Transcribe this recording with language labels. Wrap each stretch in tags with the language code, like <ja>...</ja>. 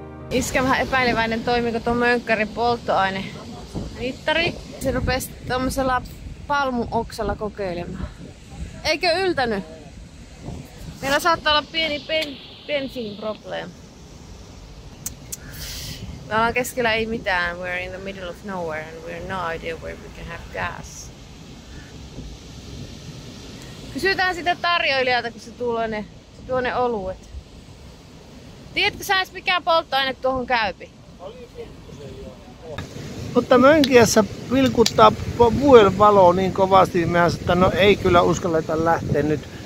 <fi>Iskä vähän epäileväinen, toimiko tuo mönkkärin polttoaine mittari. Se rupesi tuollaisella palmuoksalla kokeilemaan. Eikö yltänyt? Meillä saattaa olla pieni bensiin probleema. Me ollaan keskellä ei mitään.</fi> <en>We're in the middle of nowhere and we have no idea where we can have gas.</en> <fi>Kysytään sitä tarjoilijalta, kun se tuo ne oluet. Tiedätkö sä edes mikään polttoaine tuohon käypi? Mutta mönkiässä vilkuttaa vuoden valoa niin kovasti, että no ei kyllä uskalleta lähteä nyt.</fi>